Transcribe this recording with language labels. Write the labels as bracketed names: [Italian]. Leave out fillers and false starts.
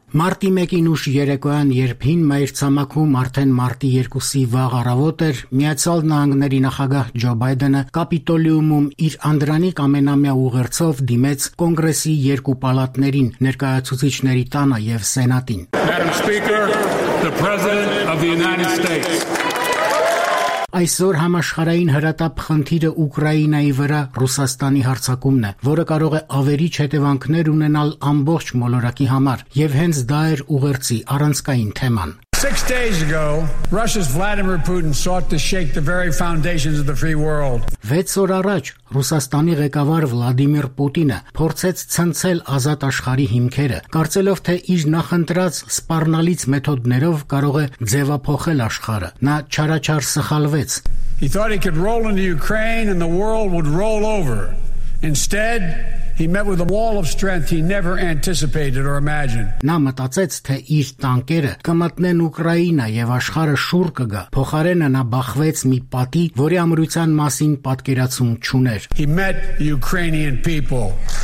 [Armenian] Մարտի 1-ին ուշ երեկոյան, երբ հին մայրցամաքում արդեն մարտի 2-ի վաղ առավոտ էր, Միացյալ Նահանգների նախագահ Ջո Բայդենը Կապիտոլիումում իր անդրանիկ ամենամյա ուղերձով դիմեց Կոնգրեսի երկու պալատներին, ներկայացուցիչների տանը եւ Սենատին։ Այսօր համաշխարային հրատապ խնդիրը Ուկրաինայի վրա Ռուսաստանի հարձակումն է, որը կարող է ավերիչ հետևանքներ ունենալ ամբողջ մոլորակի համար, եւ հենց դա էր ուղերձի առանցքային թեման։ [English] 6 days ago, Russia's Vladimir Putin sought to shake the very foundations of the free world. [Armenian] 6 օր առաջ Ռուսաստանի ղեկավար Վլադիմիր Պուտինը փորձեց ցնցել ազատ աշխարհի հիմքերը, կարծելով թե իր նախընտրած սպառնալից մեթոդներով կարող է ձևափոխել աշխարհը։ Նա չարաչար սխալվեց. [English] He thought he could roll into Ukraine and the world would roll over. Instead, he met with a wall of strength he never anticipated or imagined. [Armenian] Նա մտածեց, թե իր տանկերը կմտնեն Ուկրաինա եւ աշխարհը շուռ կգա։ Փոխարենը նա բախվեց մի պատի, որի ամրության մասին պատկերացում չուներ։ [English] He met Ukrainian people.